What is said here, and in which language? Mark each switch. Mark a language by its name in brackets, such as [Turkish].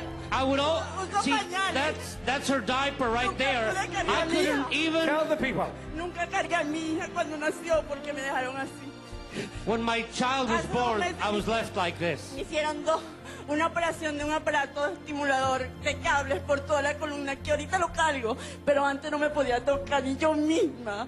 [English] I would all see that's her diaper right there. I couldn't even tell the people. [Spanish] Nunca cargué a mi hija cuando nació porque me dejaron así. [English] When my child was born, I was left like this. [Spanish] Hicieron una operación de un aparato estimulador de cables por toda la columna que ahorita lo cargo, pero antes no me podía tocar ni yo misma.